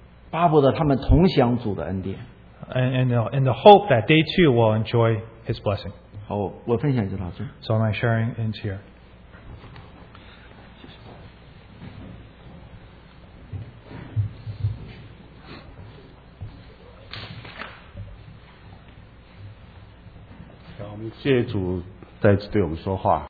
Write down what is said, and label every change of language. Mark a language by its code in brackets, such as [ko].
[zh] 巴不得他们同享主的恩典, [en] and the hope that they too will enjoy his blessing. [zh] 好，我分享一下，老师。So [en] am I sharing in here? [zh] 好，我们谢主再次对我们说话。